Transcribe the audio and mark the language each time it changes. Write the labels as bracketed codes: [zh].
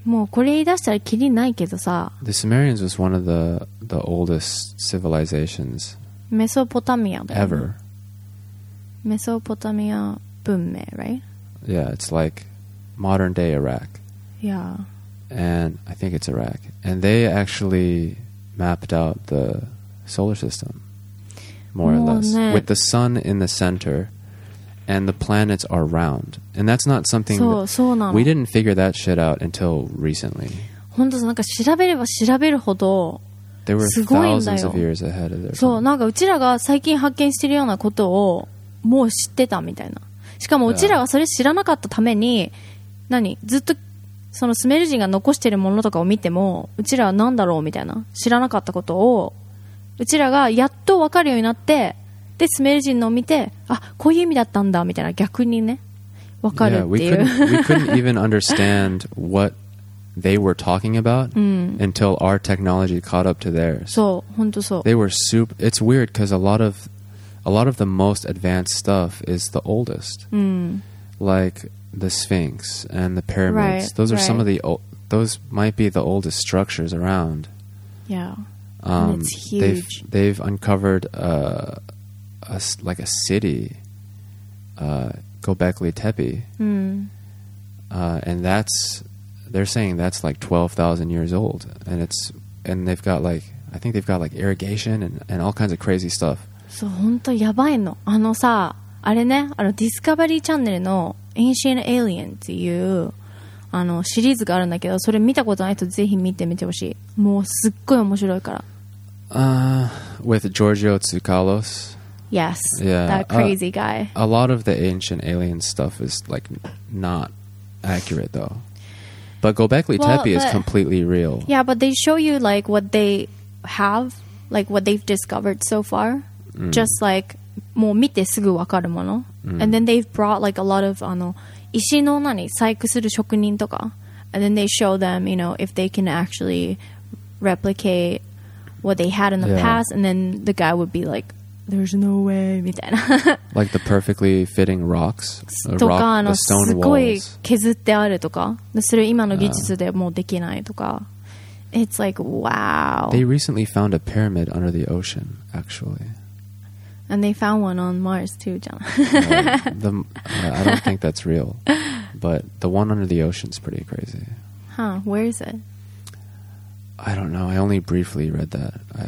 [ja] もうこれ言い出したらキリないけどさ。 [en] The Sumerians was one of the oldest civilizations... Mesopotamia. Ever. Mesopotamia... 文明, right? Yeah, it's like modern day Iraq. Yeah. And I think it's Iraq. And they actually mapped out the solar system, more or less, with the sun in the center and the planets are round. And that's not something that we didn't figure that shit out until recently. [ja] 本当、なんか調べれば調べるほど、 [en] they were thousands of years ahead of their time. [ja] そう、なんかうちらが最近発見してるようなことをもう知ってたみたいな。しかもうちらはそれ知らなかったために、yeah. 何ずっとそのスメル人が残してるものとかを見てもうちらは何だろうみたいな知らなかったことをうちらがやっと分かるようになってでスメル人のを見てあこういう意味だったんだみたいな逆にね分かるっていう [en] yeah, we couldn't even understand what they were talking about until our technology caught up to theirs [ja] そう本当そう [en] they were super it's weird because a lot of the most advanced stuff is the oldest. Mm. Like the Sphinx and the pyramids. Right, those are right. some of the those might be the oldest structures around. Yeah. And it's huge. They've uncovered a city, Göbekli Tepe. Mm. And that's they're saying that's like 12,000 years old and it's and they've got like I think they've got like irrigation and all kinds of crazy stuff. [ja] そう本当やばいのあのさあれねあのディスカバリーチャンネルの Ancient Alien っていうあのシリーズがあるんだけどそれ見たことない人ぜひ見てみてほしいもうすっごい面白いから [en] With Giorgio Tsoukalos Yes yeah, That crazy guy A lot of the Ancient Alien stuff is like not accurate though But Göbekli Tepe is completely real Yeah but they show you like what they have Like what they've discovered so farJust like [ja] もう見てすぐ分かるもの、 [en] and then they've brought like a lot of [ja] あの石の何採掘する職人とか、 [en] and then they show them you know if they can actually replicate what they had in the past, and then the guy would be like, "There's no way," [ja] みたいな。 [en] like the perfectly fitting rocks, [ja] とかあのすごい削ってあるとか、それ今の技術でもうできないとか、 [en] It's like, wow. They recently found a pyramid under the ocean, actually. And they found one on Mars, too, John. I don't think that's real. But the one under the ocean's pretty crazy. Huh. Where is it? I don't know. I only briefly read that.